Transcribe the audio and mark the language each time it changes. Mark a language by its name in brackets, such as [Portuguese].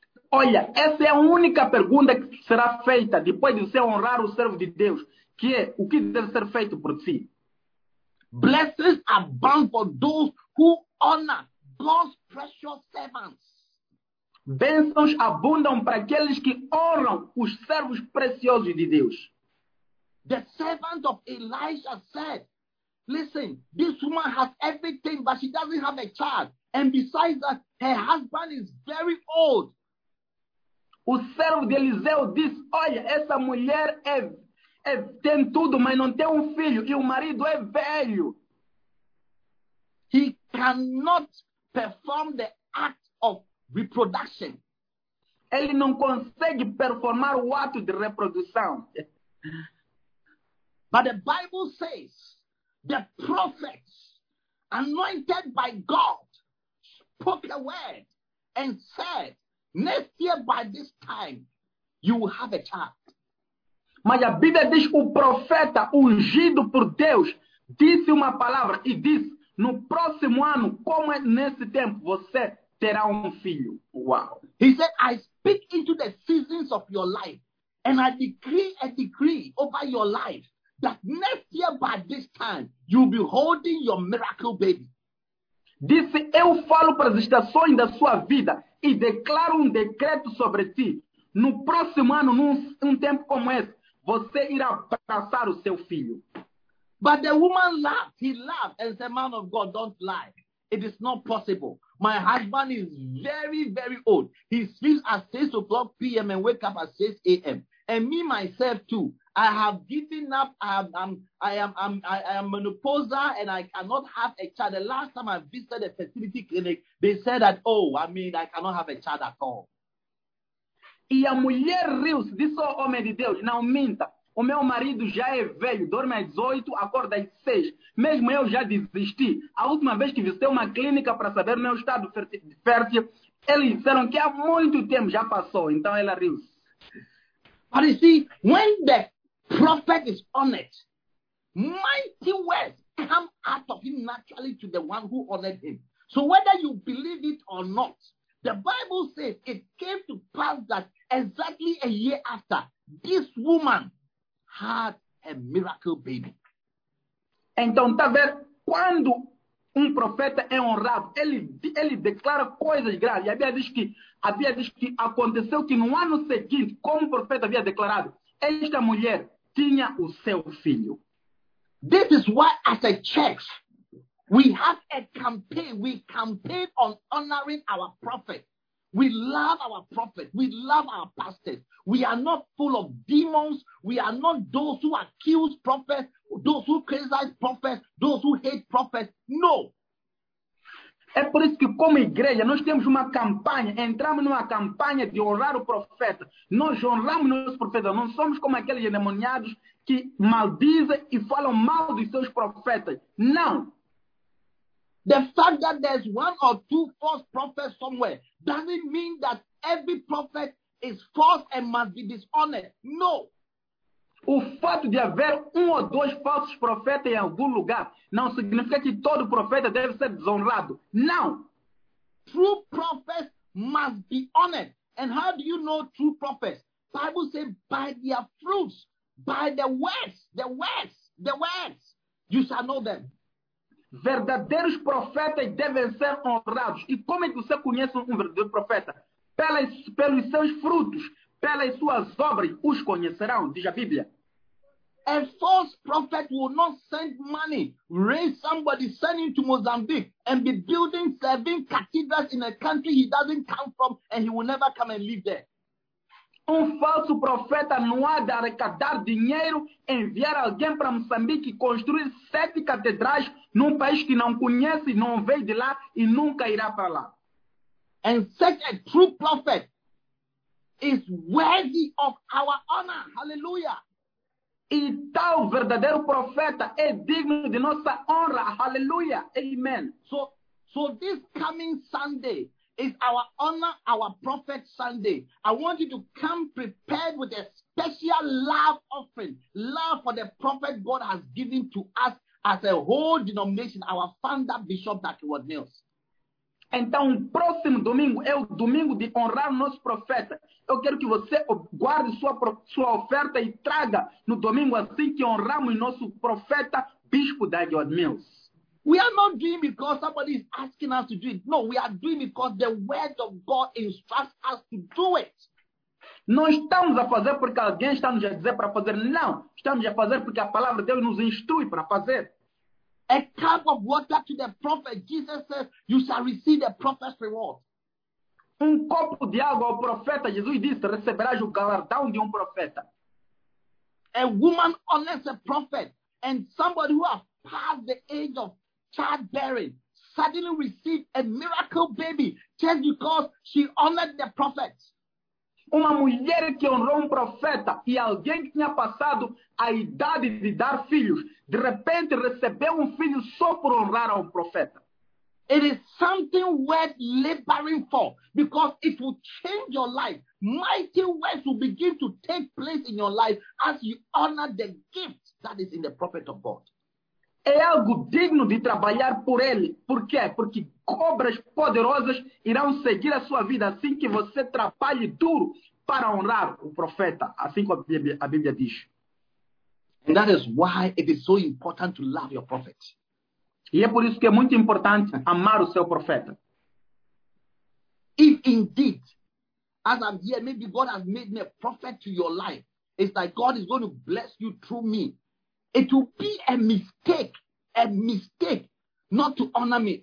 [Portuguese] Olha, essa é a única pergunta que será feita depois de você honrar o servo de Deus, que é o que deve ser feito por si. [English] Blessings abound for those who honor God's precious servants. [Portuguese] Bênçãos abundam para aqueles que honram os servos preciosos de Deus. [English] The servant of Elijah said, listen, this woman has everything, but she doesn't have a child. And besides that, her husband is very old. [Portuguese] O servo de Eliseu diz, olha, essa mulher tem tudo, mas não tem filho. E o marido é velho. [English] He cannot perform the act of reproduction. [Portuguese] Ele não consegue performar o ato de reprodução. [English] But the Bible says, the prophets, anointed by God, spoke a word and said, next year by this time, you will have a child. [Portuguese] Mas a Bíblia diz, o profeta ungido por Deus, disse uma palavra e disse, no próximo ano, como é nesse tempo, você terá filho. [English] Wow. He said, I speak into the seasons of your life and I decree a decree over your life. That next year by this time, you'll be holding your miracle baby. [Portuguese] Disse, eu falo para as estações da sua vida e declaro decreto sobre ti. No próximo ano, num tempo como esse, você irá abraçar o seu filho. [English] But the woman laughed. He laughed and said, man of God, don't lie. It is not possible. My husband is very, very old. He sleeps at 6 o'clock p.m. and wake up at 6 a.m. and me myself too. I have given up. I am menopausal, and I cannot have a child. The last time I visited a fertility clinic, they said that, I cannot have a child at all. [Portuguese] E a mulher riu, se disse ao homem de Deus, não minta. O meu marido já é velho, dorme às 18, acorda às 6. Mesmo eu já desisti. A última vez que visitei uma clínica para saber meu estado fértil, eles disseram que há muito tempo já passou. Então ela riu-se. [English] But you see, when the prophet is honored, mighty words come out of him naturally to the one who honored him. So whether you believe it or not, the Bible says it came to pass that exactly a year after, this woman had a miracle baby. [Portuguese] Então, tá vendo? Quando profeta é honrado, ele declara coisas grandes. E a Bíblia diz que aconteceu que no ano seguinte, como o profeta havia declarado, esta mulher tinha o seu filho. [English] This is why, as a church, we have a campaign. We campaign on honoring our prophet. We love our prophet. We love our pastors. We are not full of demons. We are not those who accuse prophets, those who criticize prophets, those who hate prophets. No. [Portuguese] É por isso que, como igreja, nós temos uma campanha. Entramos numa campanha de honrar o profeta. Nós honramos nossos profetas. Não somos como aqueles endemoniados que maldizem e falam mal dos seus profetas. Não. [English] The fact that there's one or two false prophets somewhere doesn't mean that every prophet is false and must be dishonored. No. [Portuguese] O fato de haver ou dois falsos profetas em algum lugar não significa que todo profeta deve ser desonrado. Não. [English] True prophets must be honored. And how do you know true prophets? Bible says by their fruits, by the words, you shall know them. [Portuguese] Verdadeiros profetas devem ser honrados. E como é que você conhece um verdadeiro profeta? Pelos seus frutos, pelas suas obras, os conhecerão, diz a Bíblia. [English] A false prophet will not send money, raise somebody, send him to Mozambique, and be building 7 cathedrals in a country he doesn't come from, and he will never come and live there. [Portuguese] Um falso profeta não há de arrecadar dinheiro, enviar alguém para Moçambique e construir 7 catedrais num país que não conhece, não veio de lá e nunca irá para lá. [English] And such a true prophet is worthy of our honor. Hallelujah. [Portuguese] E tal verdadeiro profeta é digno de nossa honra. Hallelujah. Amen. [English] So this coming Sunday, it's our honor, our prophet Sunday. I want you to come prepared with a special love offering. Love for the prophet God has given to us as a whole denomination, our founder, Bishop Dr. Ward Mills. [Portuguese] Então, o próximo domingo é o domingo de honrar o nosso profeta. Eu quero que você guarde sua oferta e traga no domingo assim que honramos nosso profeta, Bispo Dr. Ward Mills. [English] We are not doing because somebody is asking us to do it. No, we are doing because the word of God instructs us to do it. [Portuguese] Não estamos a fazer porque alguém está nos a dizer para fazer. Não, estamos a fazer porque a palavra de Deus nos instrui para fazer. [English] A cup of water to the prophet, Jesus says, you shall receive the prophet's reward. [Portuguese] Um copo de água ao profeta, Jesus disse, receberás o galardão de profeta. [English] A woman honors a prophet, and somebody who has passed the age of childbearing suddenly received a miracle baby just because she honored the prophet. [Portuguese] Uma mulher que honrou profeta e alguém que tinha passado a idade de dar filhos, de repente recebeu filho só por honrar profeta. [English] It is something worth laboring for because it will change your life. Mighty words will begin to take place in your life as you honor the gift that is in the prophet of God. [Portuguese] É algo digno de trabalhar por ele. Por quê? Porque cobras poderosas irão seguir a sua vida assim que você trabalhe duro para honrar o profeta, assim como a Bíblia diz. [English] And that is why it is so important to love your prophet. [Portuguese] E é por isso que é muito importante amar o seu profeta. [English] If indeed, as I'm here, maybe God has made me a prophet to your life, it's like God is going to bless you through me. It will be a mistake not to honor me.